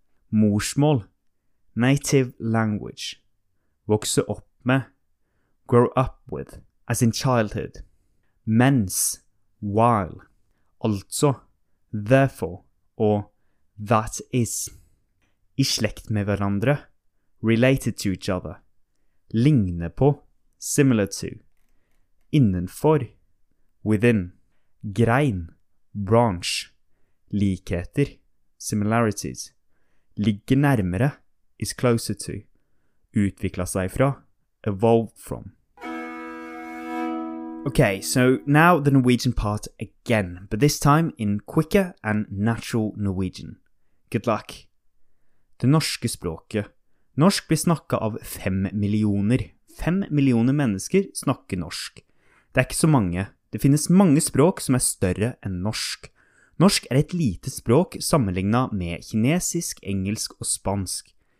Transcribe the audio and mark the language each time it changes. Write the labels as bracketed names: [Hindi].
[Norwegian] Morsmål, [English] native language. [Norwegian] Vokse opp med, [English] grow up with, as in childhood. Mens, while. Altså, therefore, or that is. [Norwegian] I slekt med hverandre, [English] related to each other. [Norwegian] Ligne på, [English] similar to. Innenfor, within. Grein, branch. Likheter, similarities. [Norwegian] Ligge nærmere, [English] is closer to. [Norwegian] Utvikle seg fra, [English] evolved from. Okay, so now the Norwegian part again, but this time in quicker and natural Norwegian. Good luck. [Norwegian] Det norske språket. Norsk blir snakket av 5 millioner. 5 millioner mennesker snakker norsk. Det ikke så mange. Det finnes mange språk som større enn norsk. Norsk et lite språk sammenlignet med kinesisk, engelsk og spansk.